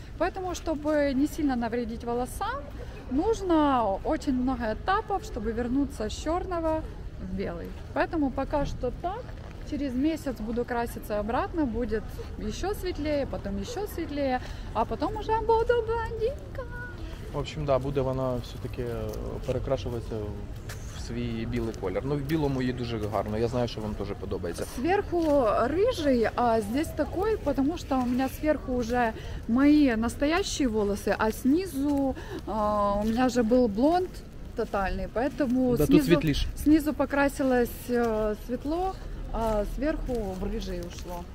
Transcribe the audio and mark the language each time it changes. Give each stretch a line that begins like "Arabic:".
Russian: Поэтому, чтобы не сильно навредить волосам, нужно очень много этапов, чтобы вернуться с черного в белый. Поэтому пока что так. Через месяц буду краситься обратно, будет еще светлее, а потом уже буду блондинка.
Ukrainian: В общем, да, буде вона все-таки перекрашуватися в свій білий колір. Ну, в білому їй дуже гарно, я знаю, що вам теж подобається.
Russian: Сверху рыжий, а здесь такой, потому что у меня сверху уже мои настоящие волосы, а снизу у меня же был блонд тотальный, поэтому да, снизу покрасилось светло. А сверху в рыжий ушло.